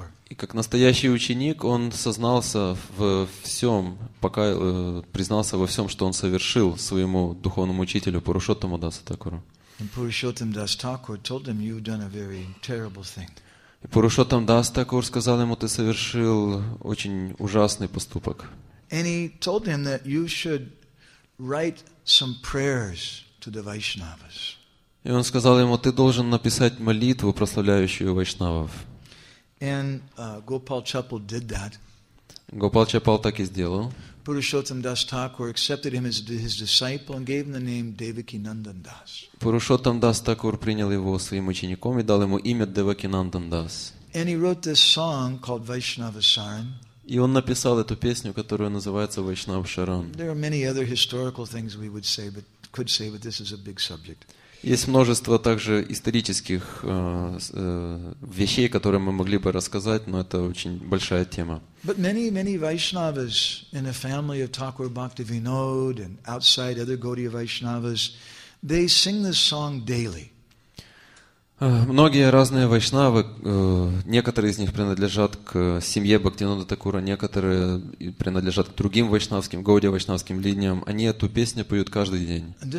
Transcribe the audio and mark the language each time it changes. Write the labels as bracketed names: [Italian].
[Russian] И как настоящий ученик, он сознался во всем, пока признался во всем, что он совершил своему духовному учителю Пурушоттаму Даса Такуру. [English] And Purushottam Das Thakur told him, "You've done a very terrible thing." [Russian] И Пурушоттам Дас Такур сказал ему, ты совершил очень ужасный поступок. [English] And he told him that you should write some prayers to the Vaishnavas. [Russian] И он сказал ему, ты должен написать молитву, прославляющую вайшнавов. [English] And Gopal Chapal did that. [Russian] Gopal Chapal так и сделал. [English] Purushottam Das Thakur accepted him as his disciple and gave him the name Devaki Nandan Das. [Russian] Purushottam Das Thakur принял его своим учеником и дал ему имя Devaki Nandan Das. [English] And he wrote this song called Vaishnava Saran. [Russian] И он написал эту песню, которая называется Vaishnava Sharan. [English] There are many other historical things we would say, but could say, but this is a big subject. [Russian] Есть множество также исторических вещей, которые мы могли бы рассказать, но это очень большая тема. [English] But many Vaishnavas in the family of Thakur Bhakti Vinod and outside other Gaudiya Vaishnavas, they sing this song daily. [Russian] Многие разные вайшнавы, некоторые из них принадлежат к семье Бхактинода Такура, некоторые принадлежат к другим вайшнавским, Гауди вайшнавским линиям. Они эту песню поют каждый день.